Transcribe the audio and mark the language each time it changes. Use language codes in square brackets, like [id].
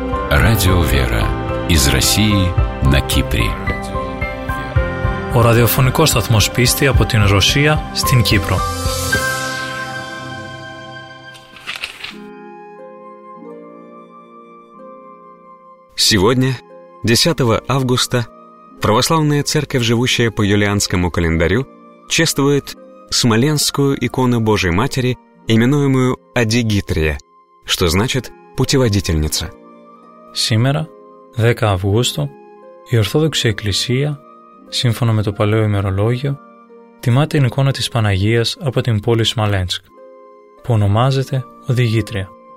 [ru] Радио «Вера» из России на Кипре. [el] Ο ραδιοφωνικός σταθμός πίστη από την Ρωσία στην Κύπρο. [ru] Сегодня, 10 августа, православная церковь, живущая по юлианскому календарю, чествует Смоленскую икону Божией Матери, именуемую Адигитрия, что значит «путеводительница». Сегодня, 10 августа, [el] η Ορθόδοξη Εκκλησία, σύμφωνα με το παλαιό ημερολόγιο, τιμά την εικόνα της Παναγίας από την πόλη Σμαλένσκ, που ονομάζεται Οδηγήτρια.